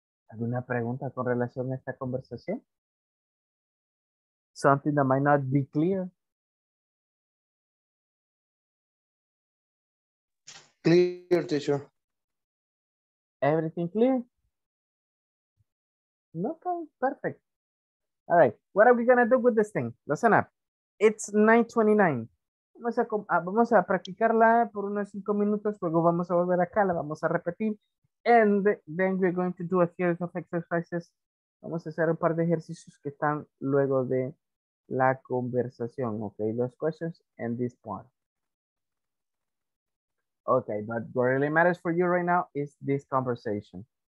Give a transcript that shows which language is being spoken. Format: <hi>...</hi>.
<es>¿Alguna pregunta con relación a esta conversación?</es> <en>Something that might not be clear? Clear, teacher. Everything clear? Okay, perfect. All right. What are we going to do with this thing? Listen up. It's 9:29.</en> <es>Vamos a practicarla por unos 5 minutos, luego vamos a volver acá, la vamos a repetir.</es> <en>And then we're going to do a series of exercises.</en> <es>Vamos a hacer un par de ejercicios que están luego de la conversación.</es> <en>Okay, those questions and this part. Okay, but what really matters for you right now is this conversation.</en>